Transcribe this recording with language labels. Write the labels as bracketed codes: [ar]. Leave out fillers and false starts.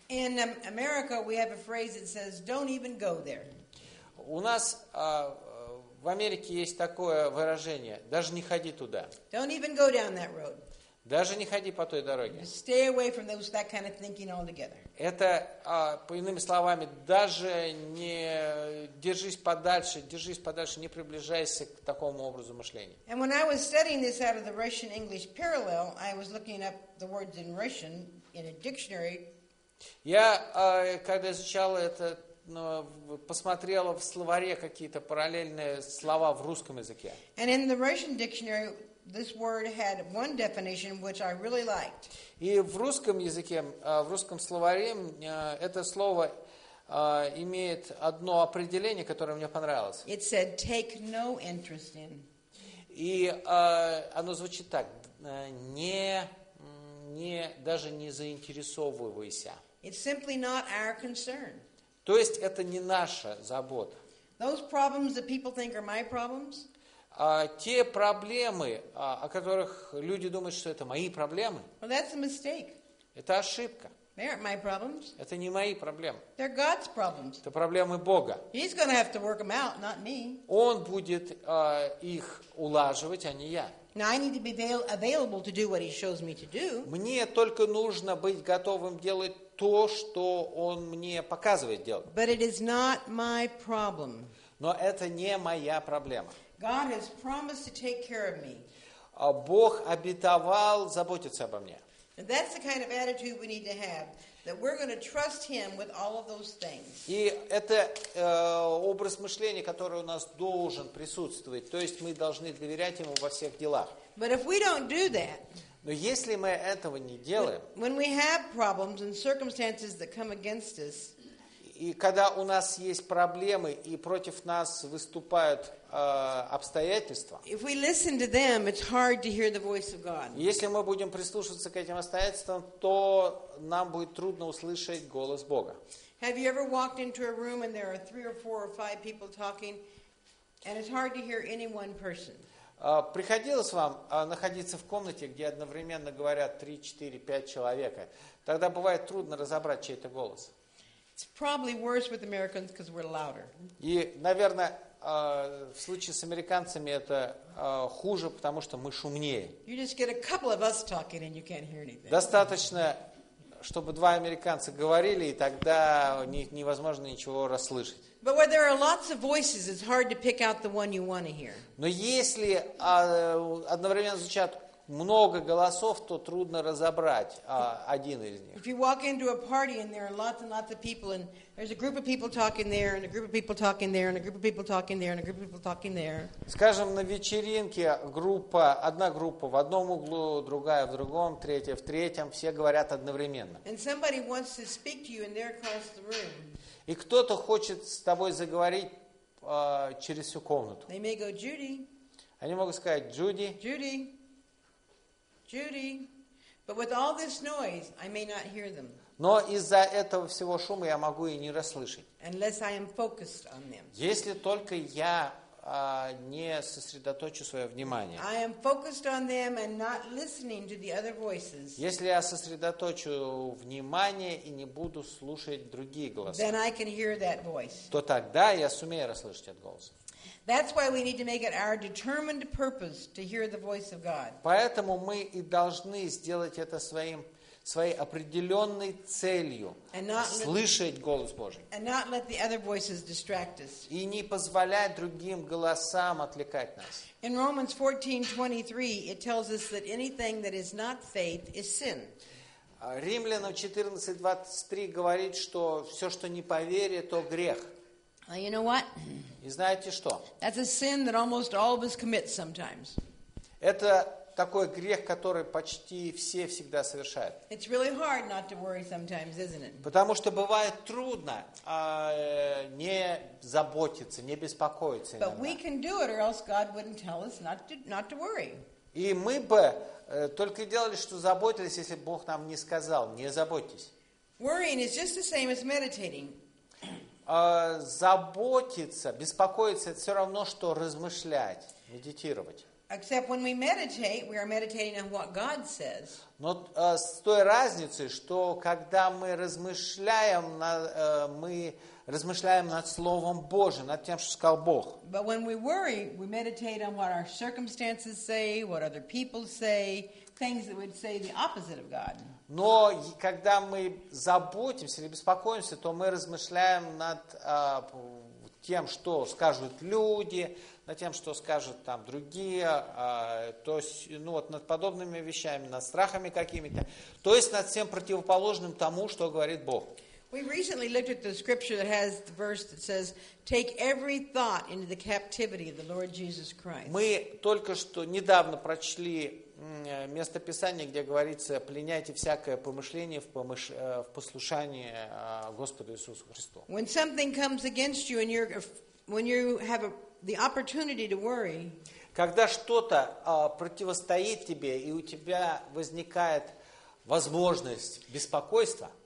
[en] In America, we have a phrase that says, "Don't even go there." [ru] У нас в Америке есть такое выражение: даже не ходи туда. [en] Don't even go down that road. [ru] Даже не ходи по той дороге. [en] Stay away from those, that kind of thinking altogether. [ru] Это, по иными словами, даже не держись подальше, не приближайся к такому образу мышления. [en] And when I was studying this out of the Russian-English parallel, I was looking up the words in Russian in a dictionary. [ru] Я, когда изучал это, посмотрел в словаре какие-то параллельные слова в русском языке. [en] And in the Russian dictionary, this word had one definition which I really liked. [ru] И в русском языке, в русском словаре это слово имеет одно определение, которое мне понравилось. [en] It said take no interest in. [ru] И оно звучит так: даже не заинтересовывайся. [en] It's simply not our concern. [ru] То есть это не наша забота. [en] Those problems that people think are my problems? [ru] Те проблемы, о которых люди думают, что это мои проблемы, [en] well, that's a mistake. [ru] Это ошибка. [en] They aren't my problems. [ru] Это не мои проблемы. [en] They're God's problems. [ru] Это проблемы Бога. [en] He's gonna have to work them out, not me. [ru] Он будет их улаживать, а не я. [en] Now I need to be available to do what he shows me to do. [ru] Мне только нужно быть готовым делать то, что он мне показывает делать. [en] But it is not my problem. [ru] Но это не моя проблема. [en] God has promised to take care of me. [ru] Бог обетовал заботиться обо мне. [en] And that's the kind of attitude we need to have, that we're going to trust Him with all of those things. [ru] И это образ мышления, который у нас должен присутствовать. То есть мы должны доверять Ему во всех делах. [en] But if we don't do that, [ru] но если мы этого не делаем, [en] when we have problems and circumstances that come against us, [ru] и когда у нас есть проблемы и против нас выступают обстоятельства. [en] If we listen to them, it's hard to hear the voice of God. [ru] Если мы будем прислушиваться к этим обстоятельствам, то нам будет трудно услышать голос Бога. [en] Have you ever walked into a room and there are three or four or five people talking, and it's hard to hear any one person? [ru] Приходилось вам находиться в комнате, где одновременно говорят 3, 4, 5 человек? Тогда бывает трудно разобрать чей-то голос. [en] It's probably worse with Americans because we're louder. [ru] И, наверное, в случае с американцами это хуже, потому что мы шумнее. [en] You just get a couple of us talking and you can't hear anything. [ru] Достаточно, чтобы два американца говорили, и тогда невозможно ничего расслышать. [en] But where there are lots of voices, it's hard to pick out the one you want to hear. [ru] Но если одновременно звучат много голосов, то трудно разобрать один из них. [en] If you walk into a party and there are lots and lots of people and there's a group of people talking there and a group of people talking there and a group of people talking there and a group of people talking there. [ru] Скажем, на вечеринке группа, одна группа в одном углу, другая в другом, третья в третьем, все говорят одновременно. [en] And somebody wants to speak to you and they're across the room. [ru] И кто-то хочет с тобой заговорить через всю комнату. [en] They may go, Judy. [ru] Они могут сказать, Джуди. [en] Judy. Judy, but with all this noise, I may not hear them. [ru] Но из-за этого всего шума я могу и не расслышать. [en] Unless I am focused on them. [ru] Если только я не сосредоточу свое внимание. [en] I am focused on them and not listening to the other voices. [ru] Если я сосредоточу внимание и не буду слушать другие голоса. [en] Then I can hear that voice. [ru] То тогда я сумею расслышать этот голос. [en] That's why we need to make it our determined purpose to hear the voice of God. [ru] Поэтому мы и должны сделать это своей определенной целью слышать голос Божий. [en] And not let the other voices distract us. [ru] И не позволять другим голосам отвлекать нас. [en] In Romans 14:23, it tells us that anything that is not faith is sin. [ru] Римлянам 14:23 говорит, что все, что не по вере, то грех. [en] You know what? [ru] И знаете что? [en] That's a sin that almost all of us commit sometimes. [ru] Это такой грех, который почти все всегда совершают. [en] It's really hard not to worry sometimes, isn't it? [ru] Потому что бывает трудно не заботиться, не беспокоиться. [en] But we can do it, or else God wouldn't tell us not to worry. [ru] И мы бы только делали, что заботились, если Бог нам не сказал, не заботьтесь. [en] Worrying is just the same as meditating. [ru] Заботиться, беспокоиться, это все равно, что размышлять, медитировать. [en] Except when we meditate, we are meditating on what God says. [ru] Но с той разницей, что когда мы размышляем, мы размышляем над Словом Божьим, над тем, что сказал Бог. [en] But when we worry, we meditate on what our circumstances say, what other people say, things that would say the opposite of God. [ru] Но когда мы заботимся или беспокоимся, то мы размышляем над тем, что скажут люди, над тем, что скажут там другие, то есть, ну вот, над подобными вещами, над страхами какими-то, то есть над всем противоположным тому, что говорит Бог. [en] We recently looked at the scripture that has the verse that says, "Take every thought into the captivity of the Lord Jesus Christ." [ru] Мы только что недавно прочли место Писания, где говорится: "Пленяйте всякое помышление в послушание Господу Иисусу Христу." [en] When something comes against you and when you have the opportunity to worry, [ru] когда что-то противостоит тебе и у тебя возникает возможность беспокойства.